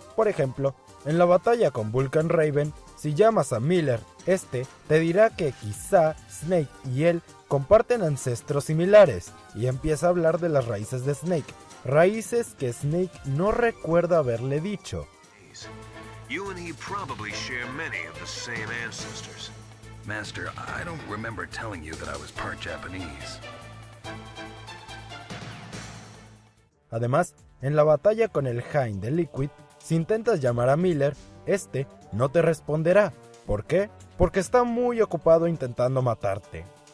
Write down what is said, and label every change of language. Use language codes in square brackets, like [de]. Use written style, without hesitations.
[es] Por ejemplo, en la batalla con Vulcan Raven, si llamas a Miller, este te dirá que quizá Snake y él comparten ancestros similares, y empieza a hablar de las raíces de Snake, raíces que Snake no recuerda haberle dicho. [en] You and he probably share many of the same ancestors. Master, I don't remember telling you that I was part Japanese. [es] Además, en la batalla con el Hind de Liquid, si intentas llamar a Miller, este no te responderá. ¿Por qué? Porque está muy ocupado intentando matarte.